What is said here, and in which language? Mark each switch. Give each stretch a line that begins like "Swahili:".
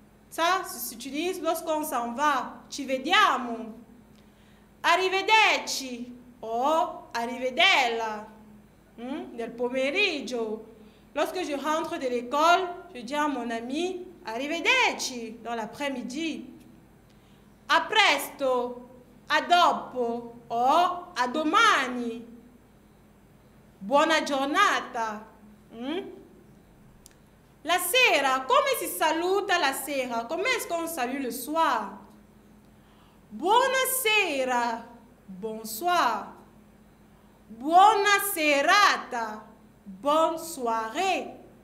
French: Ça s'utilise lorsqu'on s'en va.
Italian: Ci vediamo. Arrivederci. Oh, arrivederla. Nel pomeriggio.
French: Lorsque je rentre de l'école, je dis à mon ami, arrivederci, dans l'après-midi.
Italian: A presto, a dopo o a domani. Buona giornata. La sera, come si saluta la sera?
French: Come est-ce qu'on salue le soir? Buonasera, bonsoir.
Italian: Buona serata, bonne soirée.